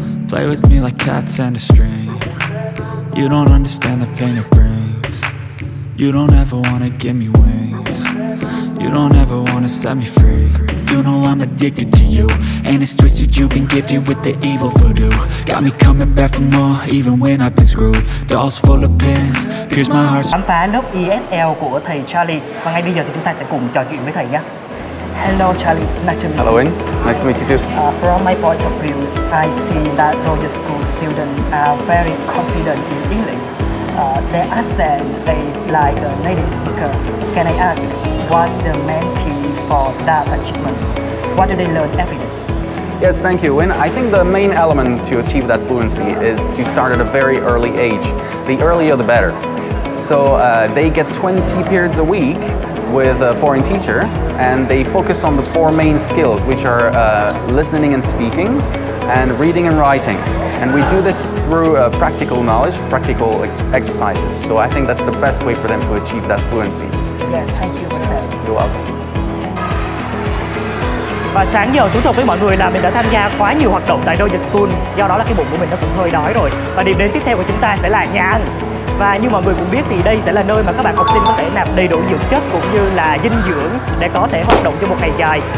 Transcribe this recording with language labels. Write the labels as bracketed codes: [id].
[en] Play with me like cats and a string. You don't understand the pain of brain. You don't ever wanna give me wings. You don't ever wanna set me free. You know I'm addicted to you, and it's twisted, you've been gifted with the evil voodoo. Got me coming back for more, even when I've been screwed. Dolls full of pins, pierce my heart. [vi] Khám phá lớp ESL của thầy Charlie. Và ngay bây giờ thì chúng ta sẽ cùng trò chuyện với thầy nhé. [en] Hello Charlie, nice to meet you. Hello Anh, nice to meet you too. From my point of view, I see that Royal School students are very confident in English. Their accent is like a native speaker. Can I ask what the main key for that achievement? What do they learn every day? Yes, thank you. And I think the main element to achieve that fluency is to start at a very early age. The earlier the better. So they get 20 periods a week with a foreign teacher, and they focus on the four main skills, which are listening and speaking, and reading and writing. And we do this through practical knowledge, practical exercises. So I think that's the best way for them to achieve that fluency. Yes, thank you, Marcel. You're welcome. [vi] Và sáng giờ thú thật với mọi người là mình đã tham gia quá nhiều hoạt động tại Royal School, do đó là cái bụng của mình nó cũng hơi đói rồi. Và điểm đến tiếp theo của chúng ta sẽ là nhà ăn. Và như mọi người cũng biết thì đây sẽ là nơi mà các bạn học sinh có thể nạp đầy đủ dưỡng chất cũng như là dinh dưỡng để có thể hoạt động cho một ngày dài.